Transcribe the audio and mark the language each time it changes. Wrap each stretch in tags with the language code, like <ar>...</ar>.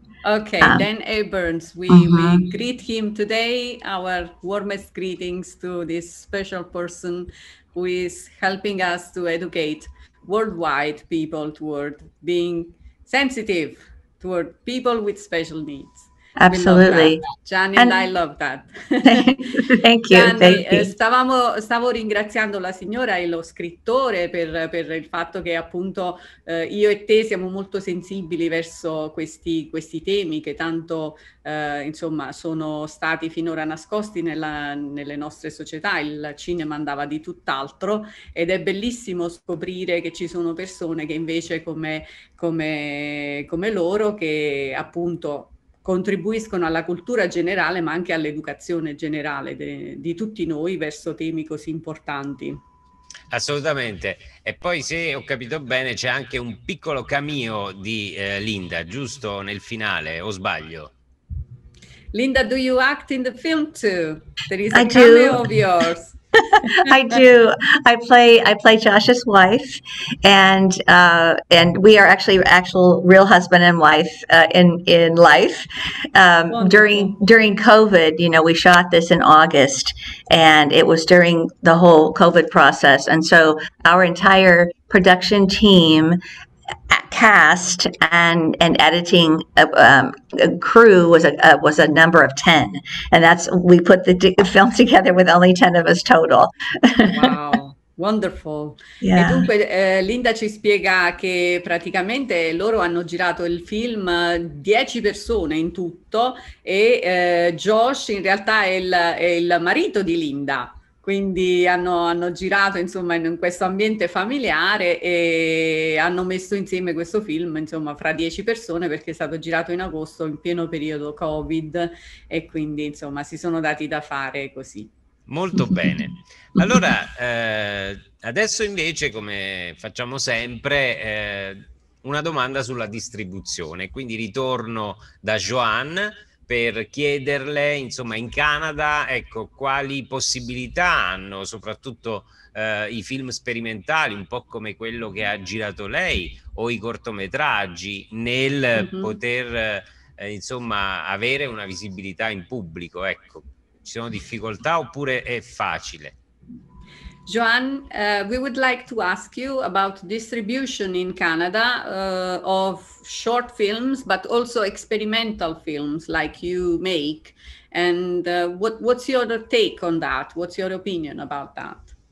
<en>Okay, Dan A. Burns. We, uh-huh. We greet him today. Our warmest greetings to this special person who is helping us to educate worldwide people toward being sensitive toward people with special needs. Absolutely. Gianni, and I love that. Thank you. Gianni, thank you.</en> <it>Stavo ringraziando la signora e lo scrittore per il fatto che appunto io e te siamo molto sensibili verso questi temi che tanto insomma sono stati finora nascosti nelle nostre società. Il cinema andava di tutt'altro ed è bellissimo scoprire che ci sono persone che invece come loro che appunto contribuiscono alla cultura generale, ma anche all'educazione generale di tutti noi verso temi così importanti. Assolutamente. E poi, se ho capito bene, c'è anche un piccolo cameo di Linda, giusto nel finale, o sbaglio? Linda, do you act in the film too? There is a I cameo do. Of yours. I do. I play Josh's wife, and we are actual real husband and wife in life. During COVID, you know, we shot this in August, and it was during the whole COVID process, and so our entire production team, cast and editing crew was a number of 10, and that's we put the film together with only 10 of us total. Wow, wonderful. Yeah. E dunque Linda ci spiega che praticamente loro hanno girato il film 10 persone in tutto e Josh in realtà è il marito di Linda. quindi hanno girato insomma in questo ambiente familiare e hanno messo insieme questo film insomma fra 10 persone, perché è stato girato in agosto in pieno periodo Covid, e quindi insomma si sono dati da fare così. Molto bene. Allora, adesso invece, come facciamo sempre, una domanda sulla distribuzione. Quindi ritorno da Joan per chiederle, insomma, in Canada, ecco, quali possibilità hanno soprattutto i film sperimentali, un po' come quello che ha girato lei, o i cortometraggi, nel poter, insomma, avere una visibilità in pubblico, ecco. Ci sono difficoltà oppure è facile?</it> <en>Joan, we would like to ask you about distribution in Canada of short films, but also experimental films like you make. And what's your take on that? What's your opinion about that?</en>